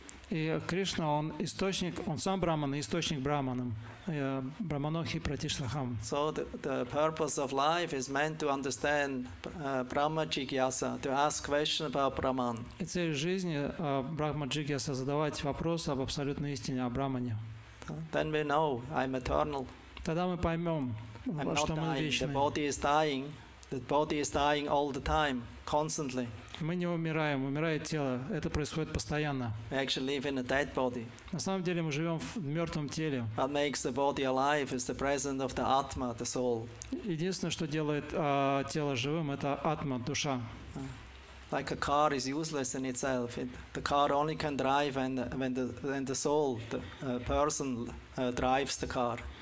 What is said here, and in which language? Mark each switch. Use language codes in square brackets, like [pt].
[ru] И Кришна, он источник, он сам Брахман, источник Брахманам. [sa] Брахманохи пратиштахам. [en] So the purpose of life is meant to understand Brahma Jigyasa, to ask question about Brahman. [ru] И цель жизни Брахма Джигьяса задавать вопросы об абсолютной истине, о Брахмане. [en] Then we know I'm eternal. [ru] Тогда мы поймем, что мы вечны. [en] The body is dying. That body is dying all the time, constantly. [ru] Мы не умираем, умирает тело. Это происходит постоянно. [en] We actually live in a dead body. [ru] На самом деле мы живем в мертвом теле. [en] What makes the body alive is the presence of the Atma, the soul. [ru] Единственное, что делает тело живым, это Атма, душа. [en] Like a car is useless in itself. The car only can drive when the soul, the person, drives the car.